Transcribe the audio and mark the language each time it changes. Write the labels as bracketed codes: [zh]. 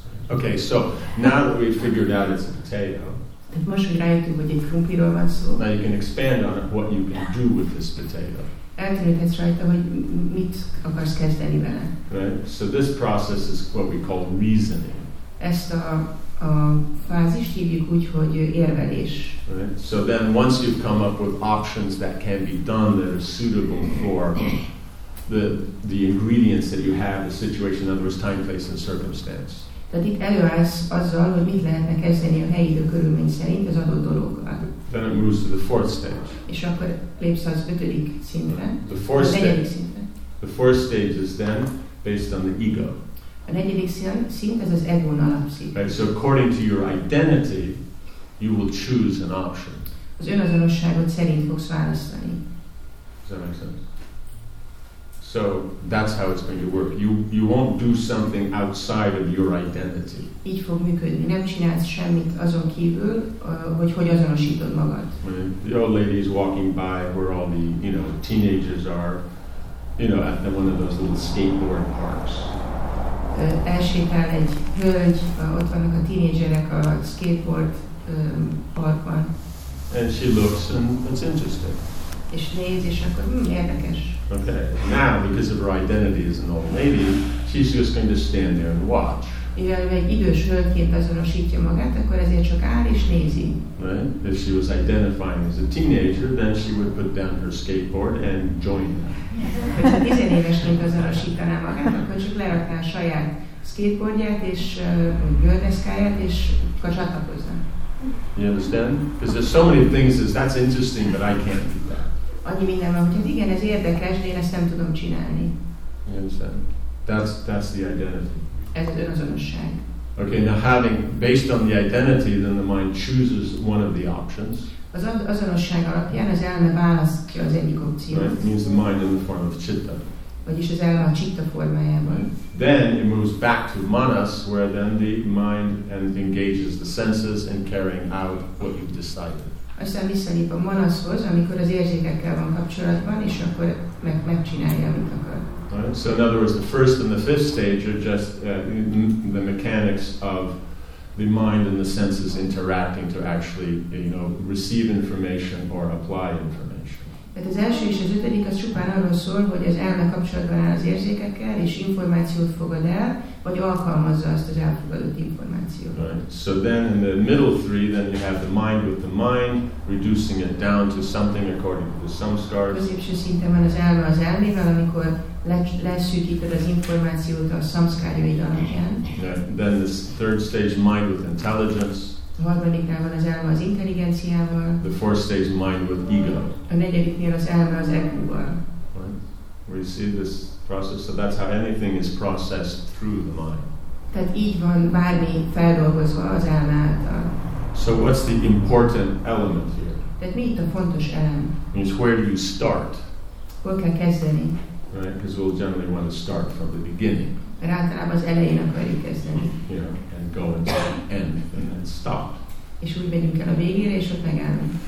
[en] Okay, so now that we've figured out it's a potato, [hu] most rájöttünk, hogy egy krumpliról van szó. [en] Now you can expand on what you can do with this potato. [hu] Eltérhetsz rajta, hogy mit akarsz kezdeni vele. [en] Right? So this process is what we call reasoning. [hu] Ezt a fázist hívjuk úgy, hogy érvelés. [en] Right? So then once you've come up with options that can be done that are suitable for the ingredients that you have, the situation, in other words, time, place, and circumstance. [hu] Tehát itt előállsz azzal, hogy mit lehetne kezdeni a helyi időkörülmény szerint az adott dologgal. [en] Then it moves to the fourth stage. [hu] És akkor lépsz az ötödik szintre, [en] the fourth [hu] a negyedik szintre. [en] The fourth stage is then based on the ego. [hu] A negyedik szint az egón alapszik. [en] Right, so according to your identity, you will choose an option. [hu] Az önazonosságot szerint fogsz választani. [en] Does that make sense? So that's how it's going to work. You won't do something outside of your identity. [hu] Így fog működni. Nem csinálsz semmit azon kívül, hogy azonosítod magad. [en] The old lady is walking by where all the, you know, teenagers are, you know, at one of those little skateboard parks. [hu] Elsétál egy hölgy, ott vannak a teenagerek a skateboard parkban. [en] And she looks and it's interesting. [hu] És néz, és akkor érdekes. [en] Okay. Now, because of her identity as an old lady, she's just going to stand there and watch. [hu] Mivel egy idős hölgyként azonosítja magát, akkor ezért csak áll és nézi. [en] Right? If she was identifying as a teenager, then she would put down her skateboard and join them. [hu] Ha 10 évesként azonosítaná magát, akkor csak lerakná a saját skateboardját és göldeszkáját és csatlakozna. [en] You understand? Because there's so many things that's interesting, but I can't do that. [hu] Annyi minden van, hogy igen, ez érdekes, de én ezt nem tudom csinálni. [en] That's the identity. [hu] Ez az önazonosság. [en] Okay, now having, based on the identity, then the mind chooses one of the options. [hu] Az azonosság alapján az elme választja az egyik opciót. [en] Right, means the mind in the form of citta. [hu] Vagyis az elme a citta formájában. [en] Right. Then it moves back to manas, where then the mind and engages the senses in carrying out what you've decided. [hu] Aztán visszalép a manaszhoz, amikor az érzékekkel van kapcsolatban, és akkor megcsinálja, amit akar. [en] Right. So in other words, the first and the fifth stage are just the mechanics of the mind and the senses interacting to actually, you know, receive information or apply information. [hu] Tehát az első és az ötödik az csupán arról szól, hogy az elme kapcsolatban áll az érzékekkel, és információt fogad el, vagy alkalmazza azt az elfogadott információt. [en] Right. So then in the middle three, then you have the mind with the mind, reducing it down to something according to the samskaras. [hu] A középső szinten van az elme az elmével, amikor leszűkíted az információt a samskárjaid alapján. [en] Then this third stage, mind with intelligence. [hu] A harmadiknál van az elme az intelligenciával. [en] The fourth stage, mind with ego. [hu] A negyediknél az elme az egóval. [en] Right. We see this process, so that's how anything is processed through the mind. [hu] Tehát így van bármi feldolgozva az elme által. [en] So what's the important element here? [hu] Tehát mi itt a fontos elem? [en] Means where do you start? [hu] Hol kell kezdeni? [en] Right, because we'll generally want to start from the beginning. [hu] Általában az elején akarjuk kezdeni. [en] Yeah, and go until the end, and then stop. [hu] És úgy megyünk el a végére, és ott megállunk.